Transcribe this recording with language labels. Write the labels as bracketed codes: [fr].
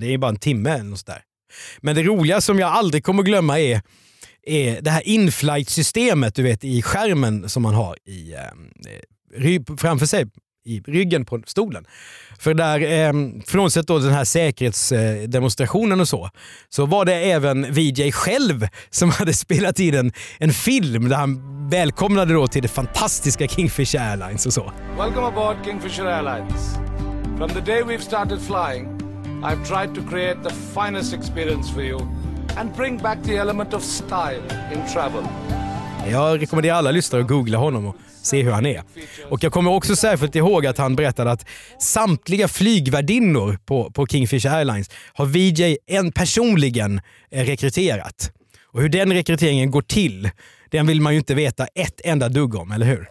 [sv] Det är bara en timme eller något sådär. Men det roliga som jag aldrig kommer att glömma är det här in-flight-systemet, du vet, i skärmen som man har i framför sig, i ryggen på stolen. För där, frånsett då den här säkerhetsdemonstrationen och så var det även VJ själv som hade spelat in en film där han välkomnade då till det fantastiska Kingfisher Airlines och så. [en] Welcome aboard Kingfisher Airlines. From the day we've started flying, I've tried to create the finest experience for you and bring back the element of style in travel. [sv] Jag rekommenderar alla lyssnare att googla honom och se hur han är. Och jag kommer också särskilt ihåg att han berättade att samtliga flygvärdinnor på Kingfisher Airlines har VJ en personligen rekryterat. Och hur den rekryteringen går till, den vill man ju inte veta ett enda dugg om, eller hur?